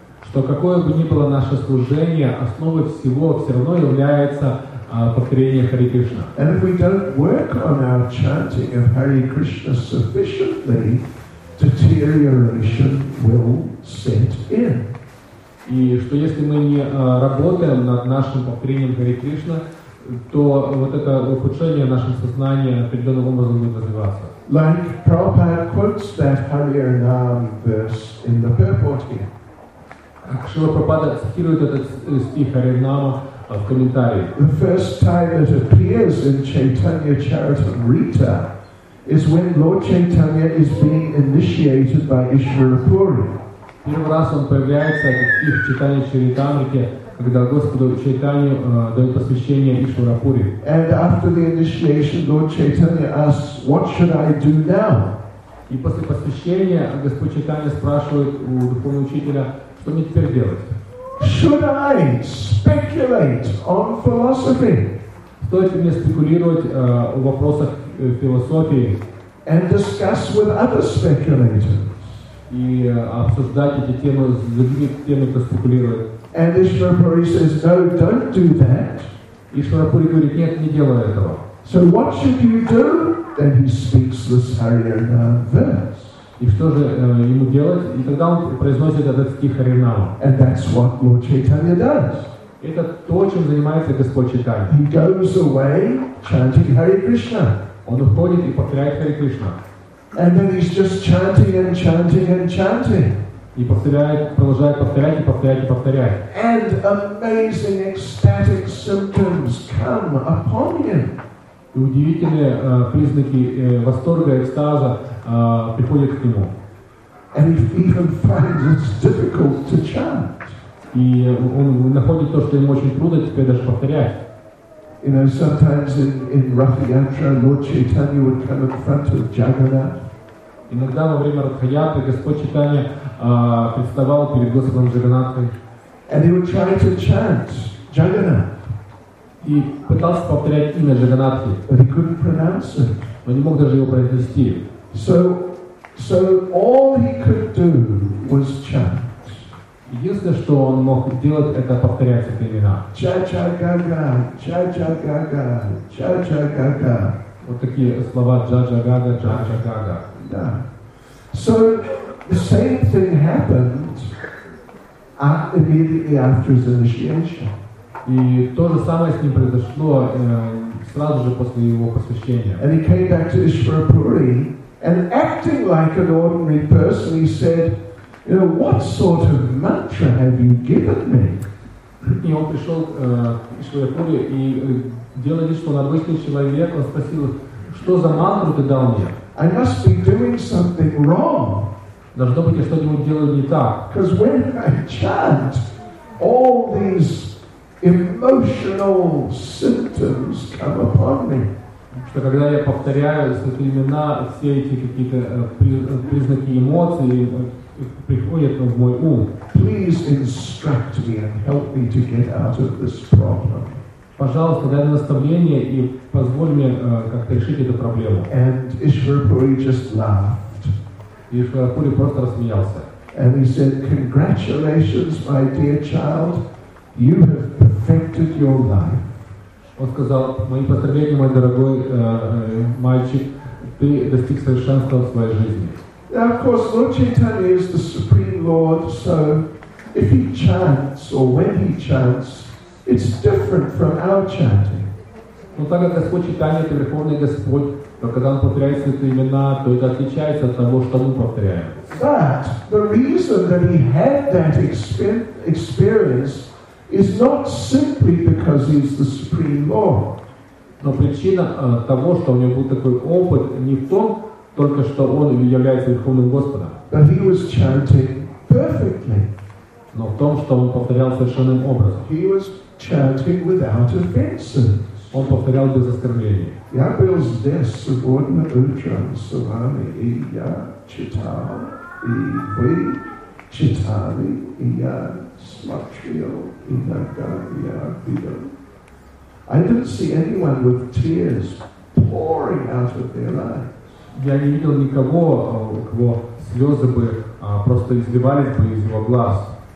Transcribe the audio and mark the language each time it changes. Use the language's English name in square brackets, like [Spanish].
[Russian] Что какое бы ни было наше служение, основой всего все равно является повторение Харе Кришна. [English] And if we don't work on our chanting of Hare Krishna sufficiently, deterioration will set in. [Russian] И что если мы не работаем над нашим повторением Харе Кришна, то вот это ухудшение в нашем сознании определенным образом будет развиваться. [English] Like Prabhupada quotes that Harinam verse in the purport here. [Russian] Как Шрила Прабхупада цитирует этот стих Харинама в комментарии. [English] The first time it appears in Chaitanya Charitamrita is when Lord Chaitanya is being initiated by Ishvara Puri. [Russian] Первый раз он появляется этот стих в Чайтанья Чаритамрите, когда Господу Чайтанью дают посвящение Ишвара Пури. [English] And after the initiation, Lord Chaitanya asks, "What should I do now?" [Russian] И после посвящения Господь Чайтанья спрашивает у духовного учителя, что мне теперь делать? [English] Should I speculate on philosophy? [Russian] Стоит ли мне спекулировать о вопросах философии? [English] And discuss with other speculators. [Russian] И обсуждать эти темы с другими темами, кто спекулирует. [English] And Ishvara Puri says, no, don't do that. [Russian] Ishvara Puri говорит, нет, не делай этого. [English] So what should you do? Then he speaks this Harinam verse. [Russian] И что же ему делать? И тогда он произносит этот стих Харинама. [English] And that's what Lord Chaitanya does. [Russian] Это то, чем занимается Господь Чайтанья. [English] He goes away chanting Hare Krishna. [Russian] Он уходит и повторяет Харе Кришна. [English] And then he's just chanting and chanting and chanting. [Russian] И повторяет, продолжает повторять и повторять и повторяет. [English] And amazing ecstatic symptoms come upon him. [Russian] И удивительные признаки восторга, экстаза приходят к нему. [English] And he even finds it's difficult to chant. [Russian] И он находит то, что ему очень трудно теперь даже повторять. [English] You know, sometimes in Rath Yatra, Lord Chaitanya would come in front of Jagannath. [Russian] Иногда во время Ратхаяты Господь Чайтанья представал перед Господом Джаганнатхой. [English] And he would try to chant Jagannath. [Russian] И пытался повторять имя Джаганнатхи. [English] But he couldn't pronounce it. [Russian] Но не мог даже его произнести. [English] So all he could do was chant. [Russian] Единственное, что он мог делать, это повторять эти имена. Ча-ча-га-га, ча-ча-га-га, ча-ча-га-га. Вот такие слова джа-джа-га-га, джа-джа-га-га. Да. [English] So the same thing happened immediately after his initiation. [Russian] И то же самое с ним произошло сразу же после его посвящения. [English] And he came back to Ishvara Puri and acting like an ordinary person, he said, you know, what sort of mantra have you given me? [Russian] И он пришел к Ишвара Пури и делая вид, что он обычный человек, он спросил, что за мантру ты дал мне? [English] I must be doing something wrong. [Russian] Должно быть, я что-нибудь делаю не так. [English] Because when I chant, all these emotional symptoms come upon me. [Russian] Что когда я повторяю святые имена, все эти какие-то признаки эмоций приходит в мой ум. [English] Please instruct me and help me to get out of this problem. [Russian] Пожалуйста, дай мне наставление и позволь мне как-то решить эту проблему. [English] And Ишварапури just laughed. [Russian] Ишварапури просто рассмеялся. [English] And he said, "Congratulations, my dear child, you have perfected your life." [Russian] Он сказал: "Мои поздравления, мой дорогой мальчик, ты достиг совершенства в своей жизни." [English] Now, of course, Lord Chaitanya is the Supreme Lord, so if he chants or when he chants, it's different from our chanting. [Russian] Но так как Господь Чайтанья — это Верховный Господь, то когда Он повторяет святые имена, то это отличается от того, что мы повторяем. [English] But the reason that he had that experience is not simply because he's the Supreme Lord. [Russian] Но причина того, что у него был такой опыт, не в том, только что он является Верховным Господом. [English] But he was chanting perfectly. [Russian] Но в том, что он повторял совершенным образом. [English] He was chanting without offenses. [Russian] Он повторял без оскорблений. Я был здесь, субординат утром, с вами, и я читал, и вы читали, и я смотрел, иногда я видел. [English] I didn't see anyone with tears pouring out of their eyes. [Russian] Я не видел никого, у кого слезы бы просто изливались бы из его глаз.